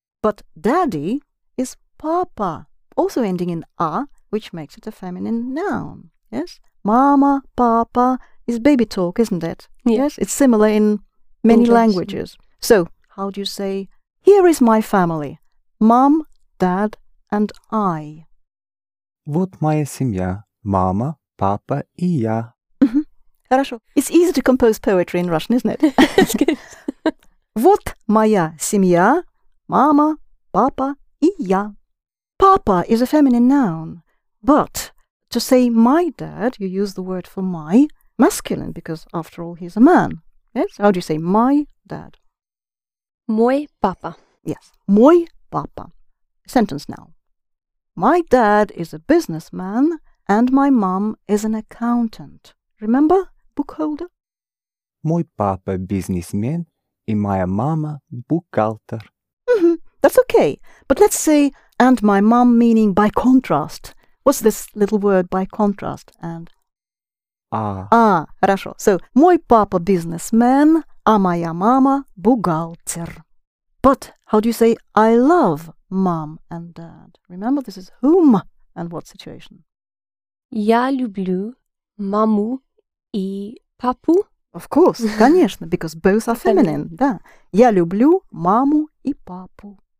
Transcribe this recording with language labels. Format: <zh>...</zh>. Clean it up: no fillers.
<en>But daddy is папа, also ending in а, which makes it a feminine noun. Yes? Мама, папа is baby talk, isn't it? Yes. It's similar in many languages. So, how do you say, here is my family, mom, dad, and I?</en> <ru>Вот моя семья, мама, папа и я. Хорошо.</ru> <en>It's easy to compose poetry in Russian, isn't it? It's good.</en> <ru>Вот моя семья, мама, папа и я.</ru> <en>Папа is a feminine noun, but to say my dad, you use the word for my, masculine, because after all, he's a man. Yes? How do you say my dad?</en> <ru>Мой папа.</ru> <en>Yes.</en> <ru>Мой папа.</ru> <en>Sentence now. My dad is a businessman and my mom is an accountant. Remember, bookholder?</en> <ru>Мой папа бизнесмен и моя мама бухгалтер.</ru> <en>That's okay. But let's say, and my mom, meaning by contrast. What's this little word, by contrast? And ah,</en> <ru>хорошо. So, мой папа бизнесмен, а моя мама бухгалтер.</ru> <en>But how do you say I love mom and dad? Remember, this is whom and what situation.</en> <ru>Я люблю маму и папу.</ru> <en>Of course,</en> <ru>конечно,</ru> <en>because both are feminine.</en> <ru>Да. Я люблю маму и папу.</ru>